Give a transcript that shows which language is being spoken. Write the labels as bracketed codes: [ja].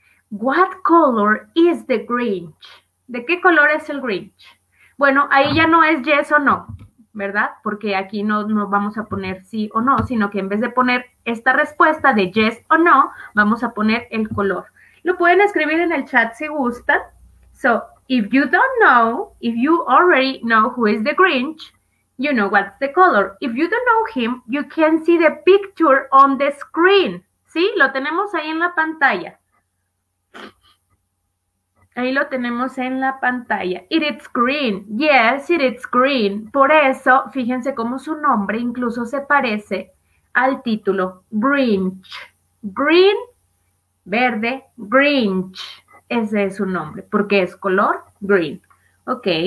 [en] What color is the Grinch? [es] ¿De qué color es el Grinch? Bueno, ahí ya no es yes o no, ¿verdad? Porque aquí no vamos a poner sí o no, sino que en vez de poner esta respuesta de yes o no, vamos a poner el color. Lo pueden escribir en el chat si gustan. [en] So, if you don't know, if you already know who is the Grinch, you know what's the color. If you don't know him, you can see the picture on the screen. [es] ¿Sí? Lo tenemos ahí en la pantalla. Ahí lo tenemos en la pantalla. [en] It is green. Yes, it is green. [es] Por eso, fíjense cómo su nombre incluso se parece al título. Grinch. Green, verde, Grinch. Ese es su nombre, porque es color green. Ok.